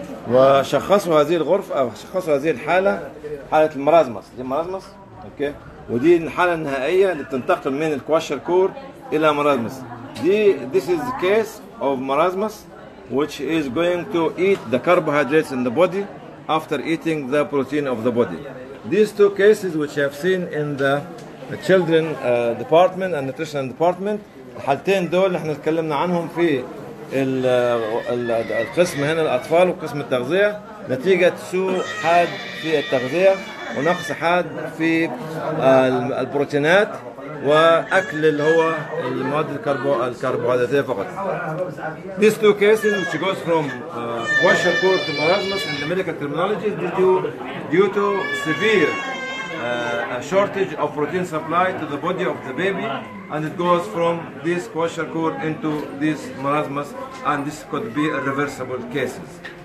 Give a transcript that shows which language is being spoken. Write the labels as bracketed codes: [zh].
[ar] وشخصوا هذه الغرفة أو شخصوا هذه الحالة حالة المرازمس. دي مرازمس أوكي، ودي الحالة النهائية اللي تنتقل من الكواشر كور إلى مرازمس. [en] دي this is the case of marasmus which is going to eat the carbohydrates in the body after eating the protein of the body. These two cases which I have seen in the children department and nutrition department, [ar] الحالتين دول احنا اتكلمنا عنهم في القسم هنا الاطفال وقسم التغذية، نتيجة سوء حاد في التغذية ونقص حاد في البروتينات وأكل اللي هو المواد الكربوهيدراتية فقط. [en] These two cases which goes from kosher kur to marasmus in the medical terminology due to severe shortage of protein supply to the body of the baby, and it goes from this kosher kur into this marasmus, and this could be a reversible cases.